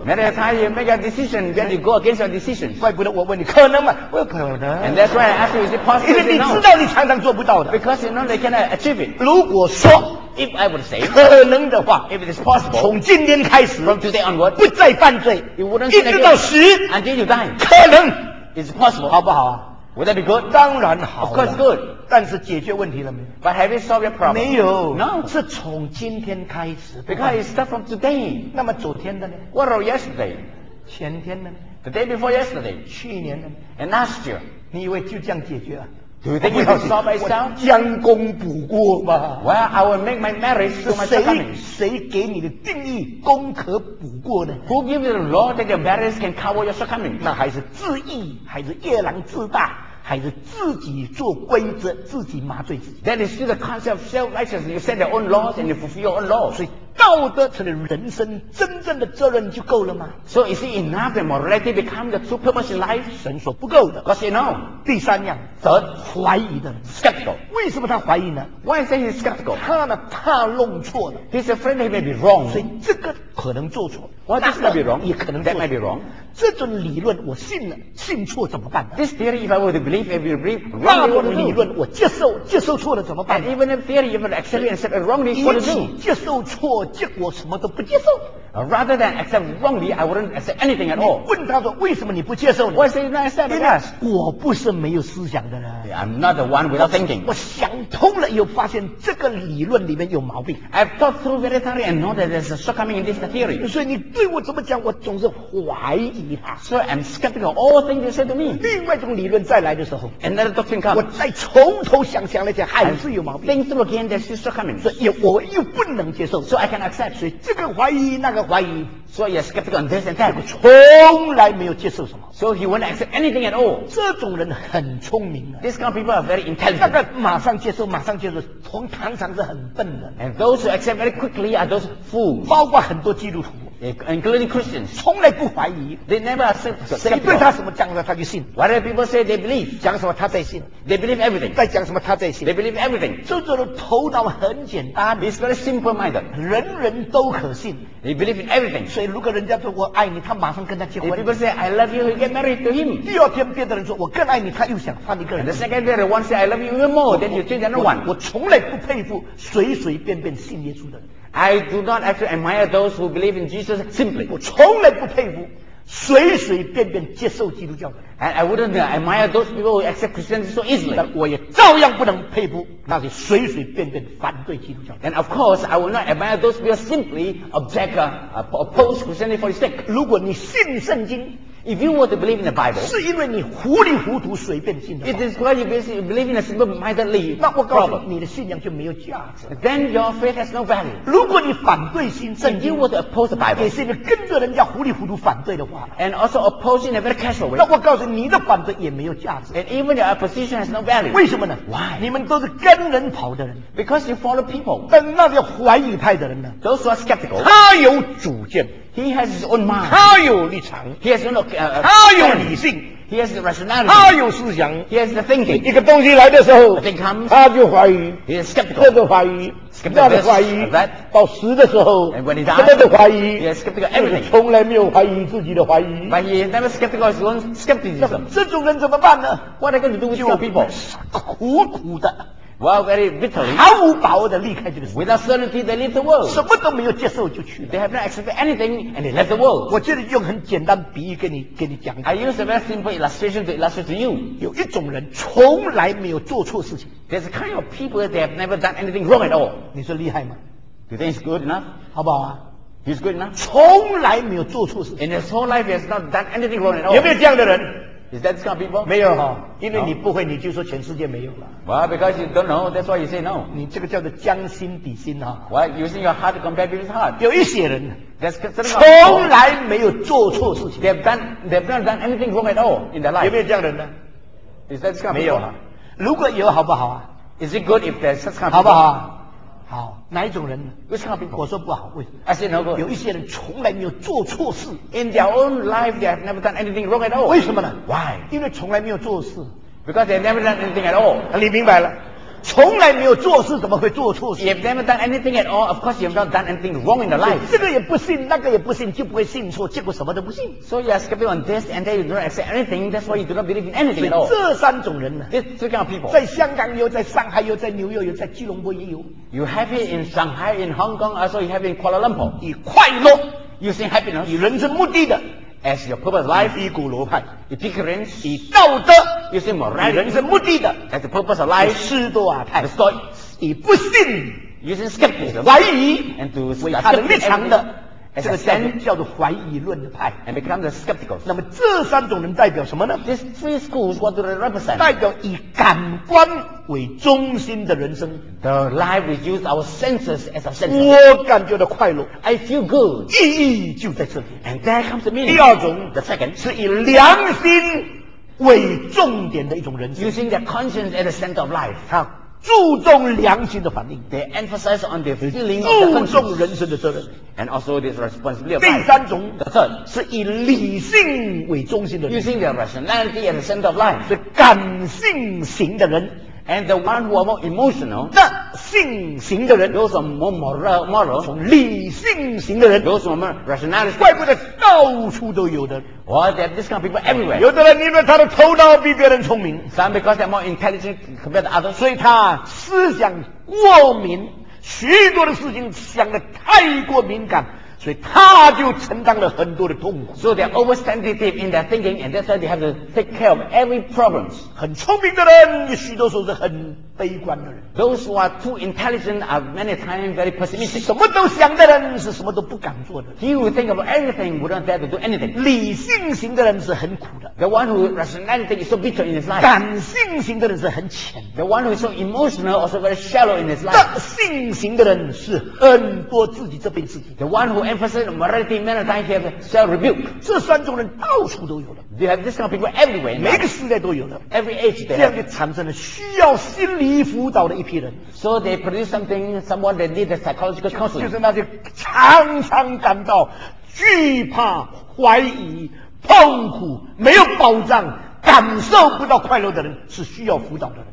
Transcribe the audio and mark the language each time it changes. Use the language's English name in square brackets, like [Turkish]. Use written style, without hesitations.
[English] Many times you make a decision, then you go against your decision。 [Chinese] 怪不得我问你，可能吗？不可能。 [English] And that's why I ask you, is it possible？ [Chinese] 因为你知道你常常做不到的。 [English] Because you know they cannot achieve it。 [Chinese] 如果说 [English] ，if I would say， [Chinese] 可能的话 [English] ，if it is possible， [Chinese] 从今天开始 [English] ，from today onward， [Chinese] 不再犯罪 [English] ，you wouldn't sin again， [Chinese] 一直到死 [English] ，until you die， [Chinese] 可能 [English] ，is possible， [Chinese] 好不好啊？ [English] Would that be good？ [Chinese] 当然好了。 [English] Of course good。 [Chinese] 但是解决问题了没 [English] ？But have you solved your problem？ [Chinese] 没有。 [English] No。 [Chinese] 是从今天开始。 [English] Because it starts from today。 [Chinese] 那么昨天的呢 [English] ？What about yesterday？ [Chinese] 前天的呢 [English] ？The day before yesterday。 [Chinese] 去年的呢 [English] ？And last year。 [Chinese] 你以为就这样解决啊？ [English] Do you think you can solve it yourself？ [Chinese] 将功补过嘛。 [English] Well, I will make my marriage to my shortcomings。 [Chinese] 谁给你的定义功可补过呢 [English] ？Who gives the law that your marriage can cover your shortcomings？ [Chinese] 那还是自义，还是夜郎自大？还是自己做规则，自己麻醉自己。 [English] That is still the concept of self-righteousness. You set your own laws and you fulfill your own laws. [Chinese] 所以道德成了人生真正的责任就够了吗 [English] ？So is it enough that morality becomes the true purpose in life? [Chinese] 神说不够的。 [English] Because you know, [Chinese] 第三样，则怀疑的 [English] skeptical. [Chinese] 为什么他怀疑呢 [English] ？Why is he skeptical? [Chinese] 他呢，怕弄错了。 [English] He's afraid he may be wrong. [Chinese] 所以这个可能做错。 [English] Why this may be wrong? [Chinese] 也可能做错。 [English] That may be wrong. [Chinese] 这种理论我信了，信错怎么办 [English] ？This theory, if I were to believe, if I believe wrong, [Chinese] 那种理论我接受，接受错了怎么办 [English] ？And even if theory, if I accept and accept wrongly, what to do? [Chinese] 一起接受错。结果什么都不接受。 [English] Rather than accept wrongly, I wouldn't accept anything at all. [Chinese] 问他说为什么你不接受呢 [English] ？Why did you not accept it? [Chinese] 我不是没有思想的人。 [English] Yeah, I'm not the one without thinking. [Chinese] 我想通了，又发现这个理论里面有毛病。 [English] I've thought through very thoroughly and know that there's a shortcoming in this theory. [Chinese] 所以你对我怎么讲，我总是怀疑他。 [English] So I'm skeptical of all things you say to me. [Chinese] 另外一种理论再来的时候 [English] ，another doctrine comes. [Chinese] 我再从头想想来讲，还是有毛病。 [English] Think through again, there's a shortcoming. [Chinese] 所以我又不能接受。 [English] So I can accept. [Chinese] 所以这个怀疑那个。怀疑，所以 [English] skeptical on this and that， [Chinese] 从来没有接受什么 [English] ，so he won't accept anything at all。 [Chinese] 这种人很聪明的 [English] ，these kind of people are very intelligent。 [Chinese] 那个马上接受，马上接受，从常常是很笨的。 [English] And those who accept very quickly are those fools。 [Chinese] 包括很多基督徒 [English] ，including Christians， [Chinese] 从来不怀疑 [English] ，they never accept。 [Chinese] 谁对他什么讲的他就信 [English] ，whatever people say they believe， [Chinese] 讲什么他在信 [English] ，they believe everything。 [Chinese] 在讲什么他在信 [English] ，they believe everything。 [Chinese] 这种人头脑很简单 [English] ，he's very simple-minded， [Chinese] 人人都可信。 [English] He believes in everything. [Chinese] 所以如果人家说我爱你，他马上跟他结婚。 [English] If people say I love you, he get married to him. [Chinese] 第二天，别的人说我更爱你，他又想换一个人。 [English] And the second day, the one say I love you even more, then you change another one. [Chinese] 我从来不佩服随随便便信耶稣的人。 [English] I do not actually admire those who believe in Jesus simply. [Chinese] 我从来不佩服随随便便接受基督教的人。 [English] And I wouldn't admire those people who accept Christianity so easily. [Chinese] 但我也照样不能佩服那些随随便便反对基督教。 [English] And of course, I will not admire those people simply object oppose Christianity for its sake. [Chinese] 如果你信圣经 [English] ，If you were to believe in the Bible， [Chinese] 是因为你糊里糊涂随便信的。 [English] It is why you basically believe in a simple-mindedly problem. [Chinese] 那我告诉你，你的信仰就没有价值。 [English] Then your faith has no value. [Chinese] 如果你反对信圣经 [English] ，If you were to oppose the Bible， [Chinese] 也是因为跟着人家糊里糊涂反对的话。 [English] And also opposing in a very casual way. [Chinese] 那我告诉你的反对也没有价值。 [English] And even your opposition has no value. [Chinese] 为什么呢 [English] ？Why？ [Chinese] 你们都是跟人跑的人。 [English] Because you follow people. [Chinese] 但那些怀疑派的人呢 [English] ？Those who are skeptical. [Chinese] 他有主见。 [English] He has his own mind. [Chinese] 他有立场。 [English] He has own, [Chinese] 他有理性。 [English] He has rationality. [Chinese] 他有思想。 [English] He has the thinking. [Chinese] 一个东西来的时候 [English] ，thing comes. [Chinese] 他就怀疑。 [English] He is skeptical. [Chinese] 这个怀疑。 [English] Skeptical、 [Chinese] 那的怀疑 [English] that, [Chinese] 到死的时候 [English] and when he died, [Chinese] 什么的怀疑 [English] he is skeptical everything. [Chinese] 从来没有怀疑自己的怀疑 [English] But he is never skeptical his own skepticism. [Chinese] 这种人怎么办呢 [English] What are you going to do with your people? [Chinese] 苦苦的 [English] Well, very bitterly [Chinese] 毫无把握的离开这个 [English] Without certainty they leave the world [Chinese] 什么都没有接受就去 [English] They have not accepted anything and they left the world [Chinese] 我这里用很简单比喻给你讲 [English] I use a very simple illustration to illustrate to you [Chinese] 有一种人从来没有做错事情 [English] There's a kind of people that they have never done anything wrong at all. [Chinese] 你说厉害吗 [English] Do you think he's good enough? [Chinese] 好不好啊 [English] He's good enough? [Chinese] 从来没有做错事 [English] In his whole life he has not done anything wrong at all. [Chinese] 有没有这样的人 [English] Is that this kind of people? [Chinese] 没有哈、哦、因为你不会你就说全世界没有了 [English] Well, because you don't know, that's why you say no. [Chinese] 你这个叫做将心比心哈、 [English] 哦、Well, using your heart to compare people's heart. [Chinese] 有一些人 [English] That's considered [Chinese] 从来没有做错事情 [English] They've not done anything wrong at all in their life. [Chinese] 有没有这样的人呢 [English] Is that this kind of people? [Chinese] 没有哈、哦如果有好不好啊 [English] ？Is it good if there's such kind of people? [Chinese] 好不好、啊？好，哪一种人 [English] ？Which kind of people? [Chinese] 我说不好，为什 [English] 么 ？I say no good. [Chinese] 有一些人从来没有做错事。 [English] In their own life, they have never done anything wrong at all. [Chinese] 为什么呢 [English] ？Why? [Chinese] 因为从来没有做事。 [English] Because they never done anything at all. [Chinese] 你明白了？从来没有做事，怎么会做错事 [English] ？If never done anything at all, of course you have not done anything wrong in the life. [Chinese] 这个也不信，那个也不信，就不会信错，结果什么都不信。 [English] So you are skeptical on this, and then you don't accept anything. That's why you do not believe in anything at all. [Chinese] 这三种人呢 [English] ？These kind of people. [Chinese] 在香港有，在上海有，在纽约有，在吉隆坡也有。 [English] You have it in Shanghai, in Hong Kong, also you have it in Kuala Lumpur. [Chinese] 以快乐 [English] ，using happiness. [Chinese] 以人生目的的。 [English] As your purpose of life, [Chinese] 以古罗派 [English] ，Epicureans, [Chinese] 以道德 [English] ，using morality, [Chinese] 以人生目的的 [English] ，as the purpose of life, [Chinese] 斯多亚派 [English] ，the Stoics, [Chinese] 以不信 [English] ，using skepticism, [Chinese] 怀疑 [English] ，and to [Chinese] 为他的立场的，这个叫做怀疑论的派 [English] ，and become the skeptical. [Chinese] 那么这三种人代表什么呢 [English] ？These three schools, what do they represent? [Chinese] 代表以感官为中心的人生 [English] ，the life we use our senses as a center. [Chinese] 我感觉到快乐 [English] ，I feel good. [Chinese] 意义就在这里 [English] ，and there comes the meaning. [Chinese] 第二种 [English] ，the second， [Chinese] 是以良心为重点的一种人生。 [English] Using their conscience at the center of life. [Chinese] 他注重良心的反应。 [English] They emphasize on their feeling of the conscience. [Chinese] 注重人生的责任。 [English] And also this responsibility. [Chinese] 第三种。 [English] The third. [Chinese] 是以理性为中心的人。 [English] Using their rationality at the center of life. [Chinese] 是感性型的人。 [English] And the one who are more emotional, [Chinese] 那性情的人 [English] ，those are more moral, [Chinese] 从理性型的人 [English] ，those are more rationalist, [Chinese] 怪不得到处都有的。 [English] Well, there are this kind of people everywhere. [Chinese] 有的人因为他的头脑比别人聪明 [English] ，some because they're more intelligent compared to others, [Chinese] 所以他思想过敏，许多的事情想得太过敏感。所以他就承担了很多的痛苦。 [English] So they're always sensitive in their thinking, and that's why they have to take care of every problems. [Chinese] 很聪明的人，许多时候是很悲观的人。 [English] Those who are too intelligent are many times very pessimistic. [Chinese] 什么都想的人是什么都不敢做的。 [English] He who think of everything would not dare to do anything. [Chinese] 理性型的人是很苦的。 [English] The one who rationality is so bitter in his life. [Chinese] 感性型的人是很浅。 [English] The one who is so emotional also very shallow in his life. [Chinese] 感性型的人是很多自己这边自己。 [English] The one who emphasizes morality many times have self rebuke. [Chinese] 这三种人到处都有的。 [English] They have this kind of people everywhere. [Chinese] 每个时代都有的。 [English] Every age they have. [Chinese] 这样就产生了需要心理辅导的一批人。 [English] So they produce something, someone that needs a psychological counseling. [Chinese] 就是那些常常感到惧怕、怀疑、痛苦、没有保障、感受不到快乐的人，是需要辅导的人。